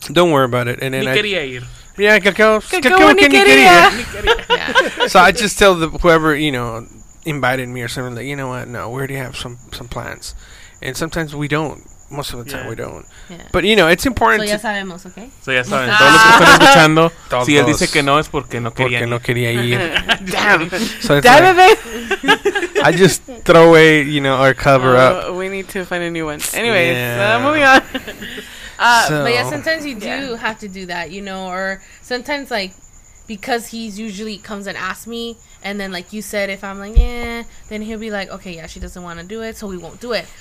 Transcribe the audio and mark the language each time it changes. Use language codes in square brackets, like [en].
[en] Don't worry about it. And then So I just tell whoever, you know, invited me or something, like, you know what, no, we already have some plans. And sometimes we don't. Most of the time we don't. Yeah. But, you know, it's important. So [es] ya sabemos, okay? [en] So [es] ya saben. Todos los que están escuchando, todos. Si él dice que no, es porque no quería ir. [en] Damn. So damn, like, it. I just throw away, you know, our cover up. We need to find a new one. Anyways, moving on. But yeah, sometimes you do have to do that, you know, or sometimes, like, because he's usually comes and asks me, and then, like you said, if I'm like, yeah, then he'll be like, okay, yeah, she doesn't want to do it, so we won't do it.